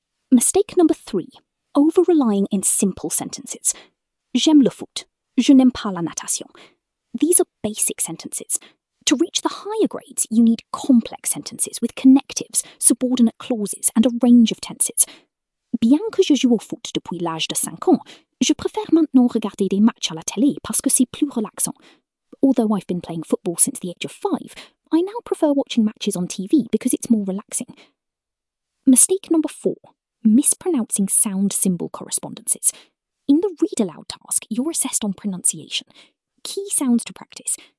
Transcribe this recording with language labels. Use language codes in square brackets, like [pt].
[en] Mistake number three, over-relying in simple sentences. [fr] J'aime le foot. Je n'aime pas la natation. [en] These are basic sentences. To reach the higher grades, you need complex sentences with connectives, subordinate clauses, and a range of tenses. [fr] Bien que je joue au foot depuis l'âge de 5 ans, je préfère maintenant regarder des matchs à la télé parce que c'est plus relaxant. [en] Although I've been playing football since the age of 5, I now prefer watching matches on TV because it's more relaxing. Mistake number four, mispronouncing sound symbol correspondences. In the read aloud task, you're assessed on pronunciation. Key sounds to practice.